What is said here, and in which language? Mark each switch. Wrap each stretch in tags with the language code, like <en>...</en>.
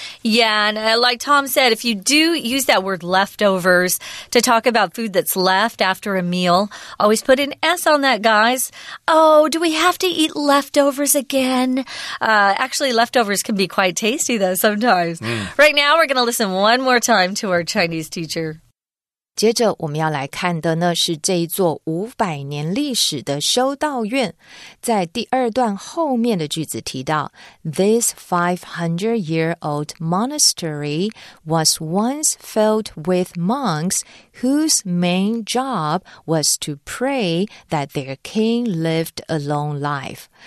<en>Yeah, and like Tom said, if you do use that word leftovers to talk about food that's left after a meal, always put an S on that, guys. Oh, do we have to eat leftovers again? Actually, leftovers can be quite tasty, though, sometimes. Mm. Right now, we're going to listen one more time to our Chinese teacher.</en> <zh>接着我们要来看的呢是这一座500年历史的修道院。在第二段后面的句子提到</zh> <en>This 500-year-old monastery was once filled with monks whose main job was to pray that their king lived a long life.</en>